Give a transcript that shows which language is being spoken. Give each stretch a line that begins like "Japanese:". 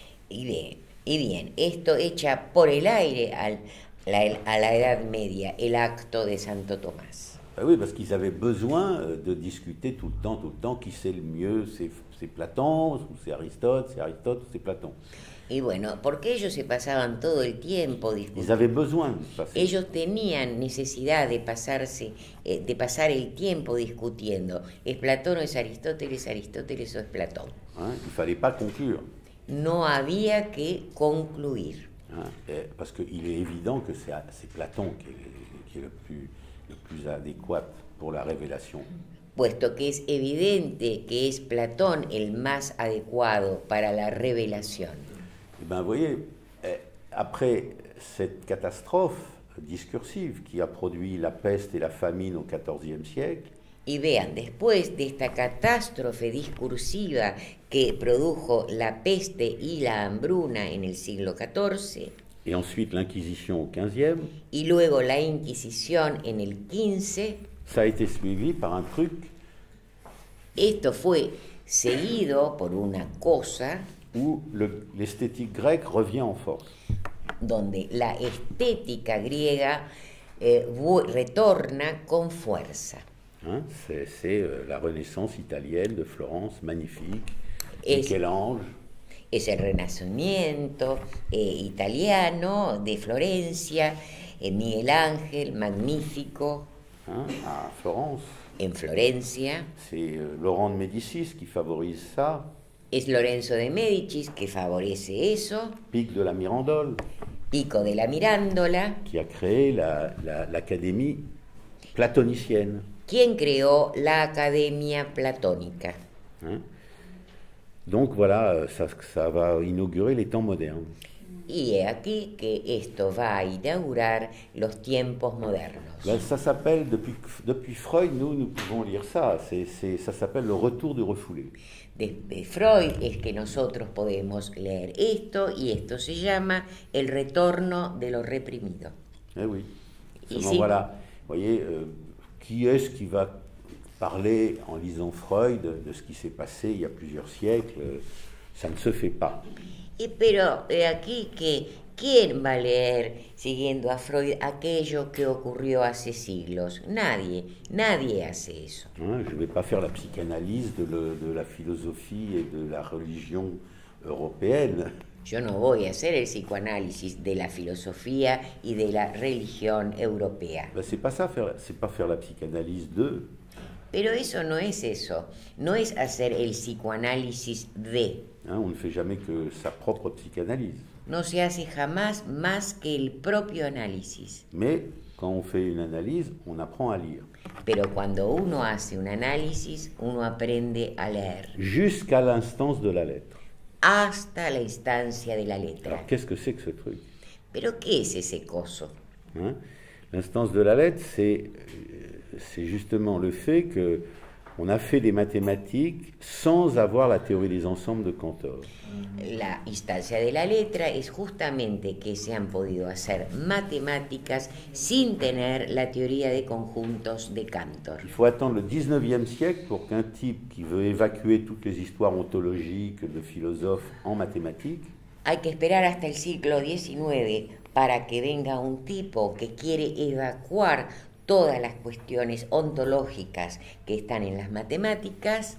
Spanish: Y bien, esto echa por el aire a la Edad Media, el acto de Santo Tomás.
French: Ben oui, parce qu'ils avaient besoin de discuter tout le temps, qui sait le mieux, c'est Platon ou c'est Aristote ou c'est Platon.
Spanish: Y bueno, porque ellos se pasaban todo el tiempo discutiendo.
French: Ils avaient besoin de passer.
Spanish: Ellos tenían necesidad de pasar el tiempo discutiendo. ¿Es Platón o es Aristóteles o es Platón?
French: Il fallait pas conclure.
Spanish: No había que concluir.
French: Parce qu'il est évident que c'est Platón qui est le plus adéquat pour la révélation.
Spanish: Puesto que es evidente que es Platón el más adecuado para la revelación.
French: Eh bien, vous voyez, après cette catastrophe discursive qui a produit la peste et la famine au XIVe siècle.
Spanish: Y vean, después de esta catástrofe discursiva que produjo la peste y la hambruna en el siglo XIV.
French: Et ensuite l'Inquisition au XVe.
Spanish: Y luego la Inquisición en el XV.
French: Ça a été suivi par un truc.
Spanish: Esto fue seguido por una cosa.
French: Où l'esthétique grecque revient en force.
Spanish: Donde la estética griega retorna con fuerza.
French: C'est la Renaissance italienne de Florence, magnifique. Michel-Ange.
Spanish: Es el Renacimiento italiano de Florencia, Miguel Ángel, magnifico.
French: À Florence.
Spanish: En Florencia.
French: C'est Laurent de Médicis qui favorise ça.
Spanish: Es Lorenzo de Médicis que favorece eso.
French: Pico de la Mirandole.
Spanish: Pico de la Mirandola.
French: Qui a créé l'Académie platonicienne.
Spanish: ¿Quién creó la Academia Platónica?
French: Hein? Donc voilà, ça va inaugurer les temps modernes.
Spanish: Y es aquí que esto va a inaugurar los tiempos modernos.
French: Ben, ça s'appelle depuis Freud, nous pouvons lire ça. Ça s'appelle le retour du refoulé.
Spanish: Desde Freud es que nosotros podemos leer esto y esto se llama el retorno de lo reprimido.
French: Eh oui. Seulement, voilà. Vous voyez, qui est-ce qui va parler en lisant Freud de ce qui s'est passé il y a plusieurs siècles? Ça ne se fait pas.
Spanish: Pero de aquí que quién va a leer siguiendo a Freud aquello que ocurrió hace siglos. Nadie hace eso.
French: Je vais pas faire la psychanalyse de la philosophie et de la religion européenne.
Spanish: Yo no voy a hacer el psicoanálisis de la filosofía y de la religión europea.
French: Ben, c'est pas faire la psychanalyse de.
Spanish: Pero eso no es eso. No es hacer el psicoanálisis de.
French: Hein, on ne fait jamais que sa propre psychanalyse.
Spanish: No se hace jamás más que el propio análisis.
French: Mais quand on fait une analyse, on apprend à lire.
Spanish: Pero cuando uno hace un análisis, uno aprende a leer.
French: Jusqu'à l'instance de la lettre.
Spanish: Hasta la instancia de la letra.
French: Alors, qu'est-ce que c'est que ce truc?
Spanish: Pero ¿qué es ese coso?
French: Hein? L'instance de la lettre, c'est justement le fait que on a fait des mathématiques sans avoir la théorie des ensembles de Cantor.
Spanish: La instancia de la letra es justamente que se han podido hacer matemáticas sin tener la teoría de conjuntos de Cantor.
French: Il faut attendre le 19e siècle pour qu'un type qui veut évacuer toutes les histoires ontologiques de philosophes en mathématiques.
Spanish: Hay que esperar hasta el siglo XIX para que venga un tipo que quiere evacuar todas las cuestiones ontológicas que están en las matemáticas.